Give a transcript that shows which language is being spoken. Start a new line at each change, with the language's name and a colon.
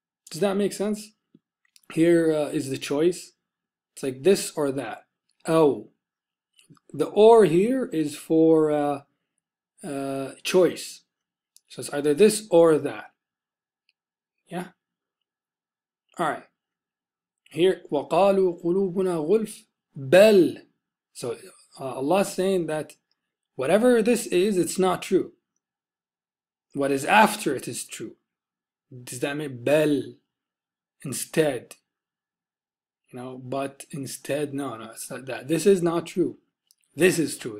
English: Does that make sense? Here is the choice. It's like this or that. Oh. The or here is for choice. So it's either this or that. Yeah? All right.
Arabic: Here, وَقَالُوا قُلُوبُنَا غُلْفٌ بَلْ.
English: So Allah is saying that whatever this is, it's not true. What is after it is true. Does that mean بَلْ instead? But instead, no, it's not that. This is not true. This is true.